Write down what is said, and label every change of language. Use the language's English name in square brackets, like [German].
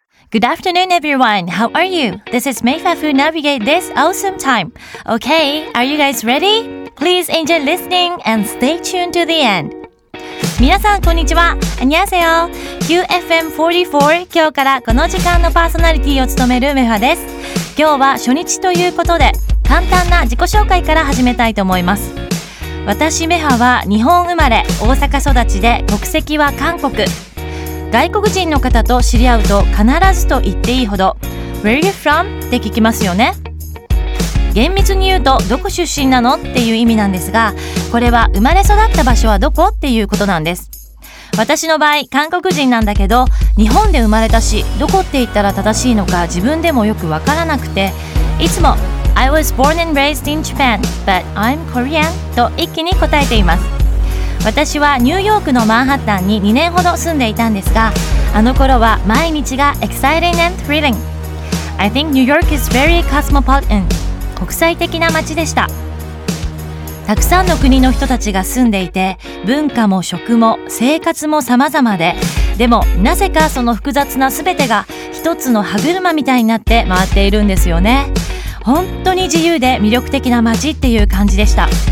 [English] Good afternoon, everyone. How are you? This is Meifa who navigate this awesome time. Okay, are you guys ready? Please enjoy listening and stay tuned to the end. [Japanese] 皆さん、こんにちは。こんにちは。 QFM44、今日からこの時間のパーソナリティを務めるメファです。今日は初日ということで、簡単な自己紹介から始めたいと思います。私、メファは日本生まれ、大阪育ちで、国籍は韓国。外国人の方と知り合うと必ずと言っていいほど [English] Where are you from? [Japanese] って聞きますよね。厳密に言うとどこ出身なのっていう意味なんですが、これは生まれ育った場所はどこっていうことなんです。私の場合韓国人なんだけど、日本で生まれたし、どこって言ったら正しいのか自分でもよくわからなくて、いつも [English] I was born and raised in Japan but I'm Korean [Japanese] と一気に答えています。私はニューヨークのマンハッタンに2年ほど住んでいたんですが、あの頃は毎日が [English] exciting and thrilling。 I think New York is very cosmopolitan。 [Japanese] 国際的な街でした。たくさんの国の人たちが住んでいて、文化も食も生活も様々で、でもなぜかその複雑な全てが一つの歯車みたいになって回っているんですよね。本当に自由で魅力的な街っていう感じでした。